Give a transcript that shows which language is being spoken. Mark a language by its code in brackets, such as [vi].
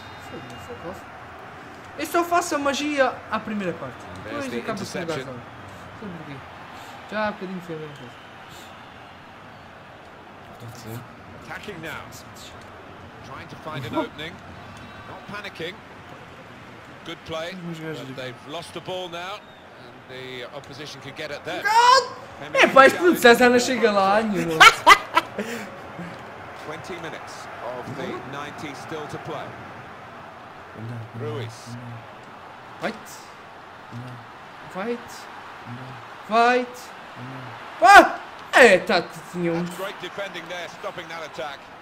[pt] Foi, foi. Eu só faço a magia à primeira parte. Depois de acabo com o negócio. Já há bocadinho foi a mesma coisa. [en] Attacking now. Trying to find an opening. Not panicking. Good play. But they've lost the ball now. The opposition could get at that. [pt] É pá, este puto César não chega lá, meu. [en] 20 minutes of the 90 still to play. Ruiz. Fight. Fight. Fight. Fight. [pt] Ah! É, tá, tinha um. [en] Great defending there, stopping that attack.